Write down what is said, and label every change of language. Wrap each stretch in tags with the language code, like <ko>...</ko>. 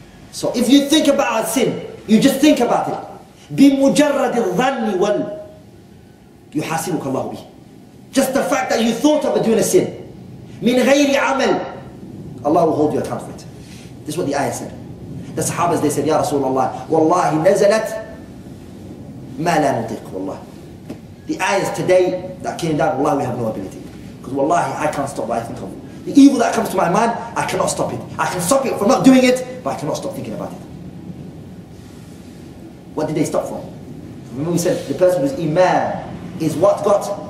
<en>So if you think about a sin, you just think about it.</en> <ar>بِمُجَرَّدِ الظَّنِّ وَالْ يُحَاسِبُكَ اللَّهُ بِهِ.</ar> <en>Just the fact that you thought of doing a sin.</en> <ar>مِنْ غَيْرِ عَمَلْ.</ar> <en>Allah will hold you accountable. This is what the ayah said. The Sahabas, they said,</en> <ar>يَا رَسُولَ اللَّهِ وَاللَّهِ نَزَلَتْ مَا لَا نُطِيقُ وَاللَّهِ.</ar> <en>The ayahs today that came down, Allah, we have no ability. Because wallahi, I can't stop what I think of. The evil that comes to my mind, I cannot stop it. I can stop it from not doing it, but I cannot stop thinking about it. What did they stop from? Remember we said, the person who's iman is what got?</en>